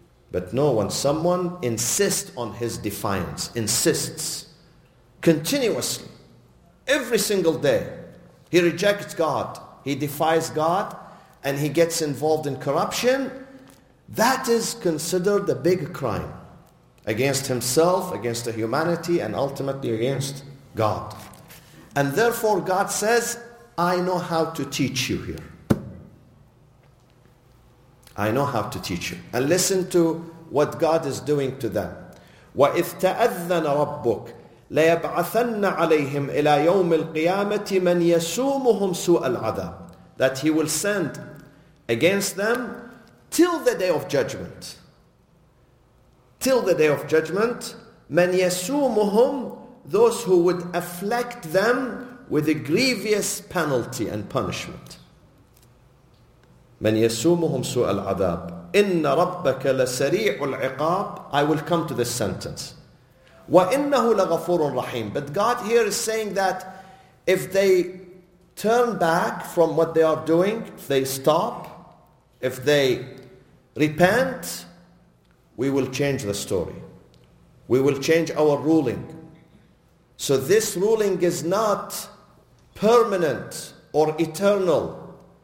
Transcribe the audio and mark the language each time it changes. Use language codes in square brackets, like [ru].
[en] But no, when someone insists on his defiance, insists continuously, every single day, he rejects God, he defies God, and he gets involved in corruption, that is considered a big crime against himself, against the humanity, and ultimately against God. And therefore, God says, I know how to teach you here. I know how to teach you. And listen to what God is doing to them. [ar] وَإِذْ تَأَذَّنَ رَبُّكَ لَيَبْعَثَنَّ عَلَيْهِمْ إِلَى يَوْمِ الْقِيَامَةِ مَنْ يَسُومُهُمْ سُوءَ الْعَذَابِ, [en] that he will send against them till the day of judgment. Till the day of judgment, [ar] مَنْ يَسُومُهُمْ, [en] those who would afflict them with a grievous penalty and punishment. [ar] مَنْ يَسُومُهُمْ سُوءَ الْعَذَابِ إِنَّ رَبَّكَ لَسَرِيعُ الْعِقَابِ. [en] I will come to this sentence. [ar] وَإِنَّهُ لَغَفُورٌ رَحِيمٌ. [en] But God here is saying that if they turn back from what they are doing, if they stop, if they repent, we will change the story. We will change our ruling. So this ruling is not permanent or eternal.